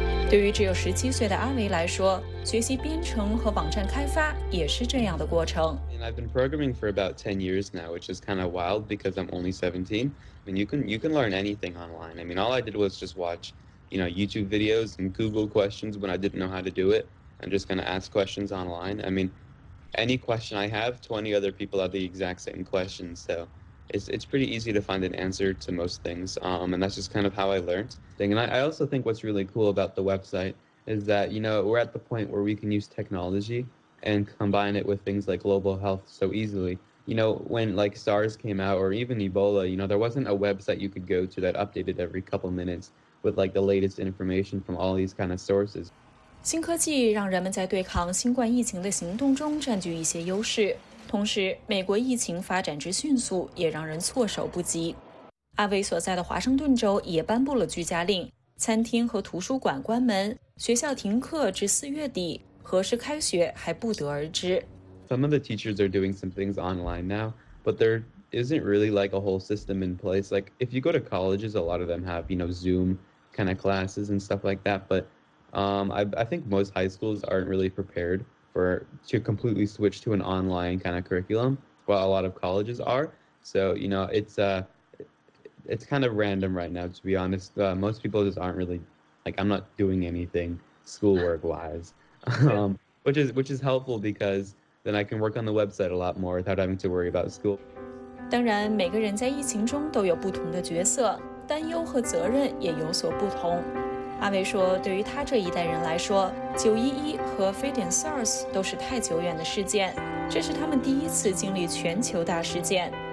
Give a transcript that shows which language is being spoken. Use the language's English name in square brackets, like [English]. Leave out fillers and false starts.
[Chinese] 对于只有17岁的阿维来说，学习编程和网站开发也是这样的过程。 [English] I've been programming for about 10 years now, which is kind of wild because I'm only 17. I mean, you can learn anything online. I mean, all I did was just watch, you know, YouTube videos and Google questions when I didn't know how to do it. I'm just going to ask questions online. I mean, any question I have, 20 other people have the exact same question. So it's pretty easy to find an answer to most things. And that's just kind of how I learned. And I also think what's really cool about the website is that, you know, we're at the point where we can use technology and combine it with things like global health so easily. You know, when like SARS came out or even Ebola, you know, there wasn't a website you could go to that updated every couple minutes with like the latest information from all these kind of sources. [Chinese] 新科技让人们在对抗新冠疫情的行动中占据一些优势，同时美国疫情发展之迅速也让人措手不及。阿维所在的华盛顿州也颁布了居家令，餐厅和图书馆关门，学校停课至4月底，何时开学还不得而知。 [English] Some of the teachers are doing some things online now, but there isn't really like a whole system in place. Like if you go to colleges, a lot of them have, you know, Zoom kind of classes and stuff like that. But I think most high schools aren't really prepared to completely switch to an online kind of curriculum, while a lot of colleges are. So, you know, it's kind of random right now, to be honest. Most people just aren't really, like, I'm not doing anything schoolwork-wise. which is helpful because then I can work on the website a lot more without having to worry about school. [Chinese] 当然，每个人在疫情中都有不同的角色，担忧和责任也有所不同。阿维说，对于他这一代人来说，911和非典 SARS 都是太久远的事件，这是他们第一次经历全球大事件。